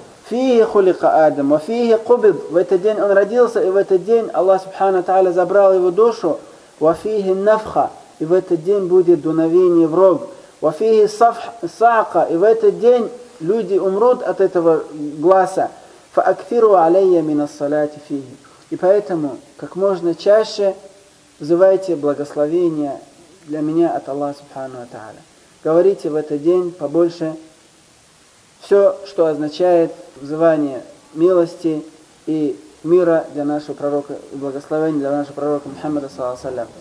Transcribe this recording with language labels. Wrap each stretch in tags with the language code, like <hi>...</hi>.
<ar>«Фихи хулика Адам, ва фихи кубид».</ar> <ru>В этот день он родился, и в этот день Аллах Субхана Та'аля забрал его душу.</ru> <ar>«Ва фихи нафха».</ar> <ru>И в этот день будет дуновение в рог.</ru> <ar>«Ва фихи саака».</ar> <ru>И в этот день люди умрут от этого гласа.</ru> <ar>فأكثروا علي من الصلاة فيه.</ar> <ru>И поэтому как можно чаще взывайте благословения для меня от Аллаха Субхану ва Тааля. Говорите в этот день побольше все, что означает взывание милости и мира для нашего пророка, и благословения для нашего пророка Мухаммада саллаллаху алейхи ва саллям.</ru>